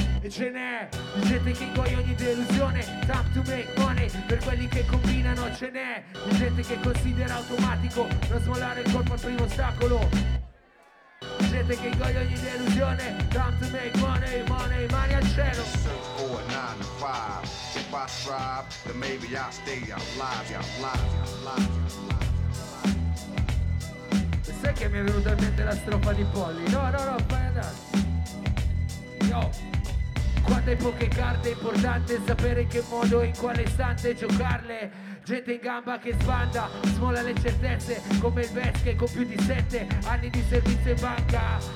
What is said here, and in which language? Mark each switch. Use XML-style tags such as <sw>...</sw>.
<it>E ce n'è, di gente che coglie ogni delusione,</it> <en>time to make money,</en> <it>per quelli che combinano ce n'è, di gente che considera automatico non smollare il colpo al primo ostacolo. Gente che goglie ogni delusione,</it> <en>time to make money, money, money</en> <it>al cielo.</it> <en>Just search for a 9 to 5. If I strive, then maybe I stay alive, alive, alive, alive.</en> <it>E sai che mi è venuta in mente la strofa di Polly? No, no, no, fai andare. Yo. Quando hai poche carte, è importante sapere in che modo e in quale istante giocarle. Gente in gamba che sbanda, smolla le certezze, come il Vesche con più di 7 anni di servizio in banca.</it>